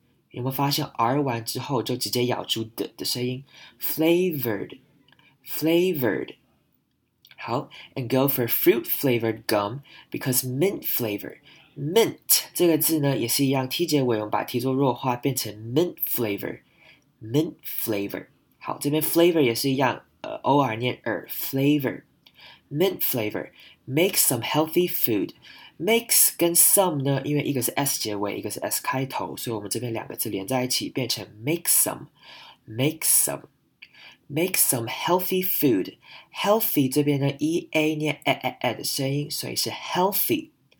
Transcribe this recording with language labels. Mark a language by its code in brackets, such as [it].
[zh] 有没有发现 r 完之后就直接咬出 d 的声音 ,flavored。 [en] 好 ,and go for fruit flavored gum because mint flavor. [zh] Mint 这个字呢也是一样 ,T 结尾我们把 T 做弱化变成 [en] mint flavor. Mint flavor. [zh] 好，这边 flavor 也是一样,OR 念 R, flavor. [en] Mint flavor. Make some healthy food. [zh] Makes 跟 some 呢，因为一个是 S 结尾，一个是 S 开头，所以我们这边两个字连在一起变成 [en] make some. Make some healthy food. [zh] Healthy 这边呢 ,EA 念 AAA 的声音，所以是 healthy.